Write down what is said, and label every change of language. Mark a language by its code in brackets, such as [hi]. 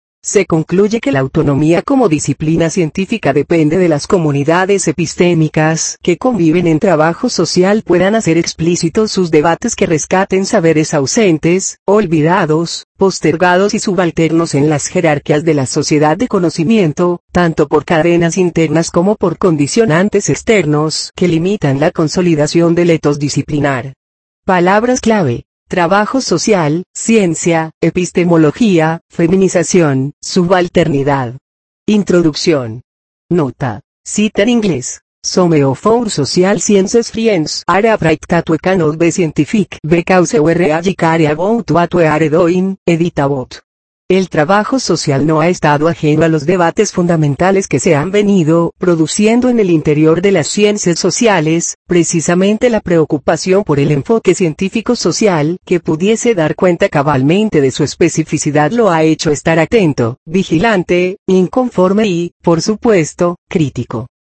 [es] Se concluye que la autonomía como disciplina científica depende de las comunidades epistémicas que conviven en trabajo social puedan hacer explícitos sus debates que rescaten saberes ausentes, olvidados, postergados y subalternos en las jerarquías de la sociedad de conocimiento, tanto por cadenas internas como por condicionantes externos que limitan la consolidación del ethos disciplinar. Palabras clave. Trabajo social, ciencia, epistemología, feminización, subalternidad. Introducción. Nota. Cita en inglés. [en] Some of our social sciences friends are afraid that we cannot be scientific because we really care about what we are doing, edit about. [es] El trabajo social no ha estado ajeno a los debates fundamentales que se han venido produciendo en el interior de las ciencias sociales, precisamente la preocupación por el enfoque científico-social que pudiese dar cuenta cabalmente de su especificidad lo ha hecho estar atento, vigilante, inconforme y, por supuesto, crítico.